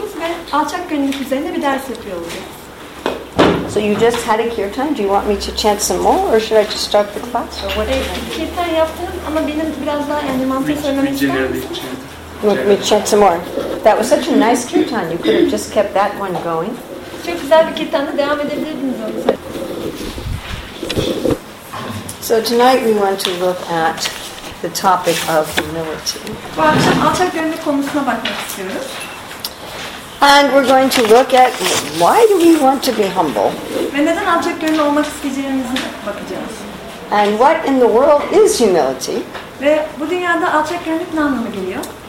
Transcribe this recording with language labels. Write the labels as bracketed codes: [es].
[tr] ve alçak gönüllülük üzerine bir ders yapıyoruz. [en] So you just had a kirtan. Do you want me to chant some more, or should I just start the class? [tr] Kirtan yaptım ama benim biraz daha yani mantığı söylemek istiyorum. [en] You want me to chant some more? That was such a nice kirtan. You could have just kept that one going. [tr] Çok güzel bir kitanda devam edebilirdiniz onu. [en] So tonight we want to look at the topic of humility. [tr] Bu akşam alçak gönüllü konusuna bakmak istiyoruz. [en] And we're going to look at why do we want to be humble? [tr] Ve neden alçak gönüllü olmak isteyeceğimizi bakacağız. [en] And what in the world is humility? [tr] Ve bu dünyada alçak gönüllük ne anlama geliyor?